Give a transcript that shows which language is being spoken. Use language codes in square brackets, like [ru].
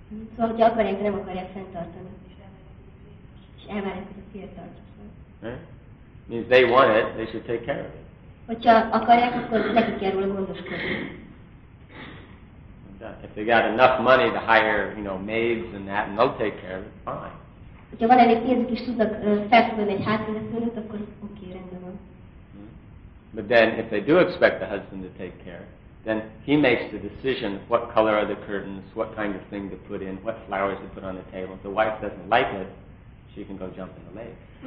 [hu] Szóval, hogyha akarják, nem akarják fenntartani. [en] Right? Means they want it, they should take care of it. [hu] Hogyha akarják, akkor nekik kell róla gondoskodni. [en] If they got enough money to hire, you know, maids and that, and they'll take care of it, fine. [hu] Hogyha van elég pénzük is tudnak felfogni egy házvezetőt, akkor oké, rendben van. [en] But then, if they do expect the husband to take care, then he makes the decision what color are the curtains, what kind of thing to put in, what flowers to put on the table. If the wife doesn't like it, you can go jump in the lake.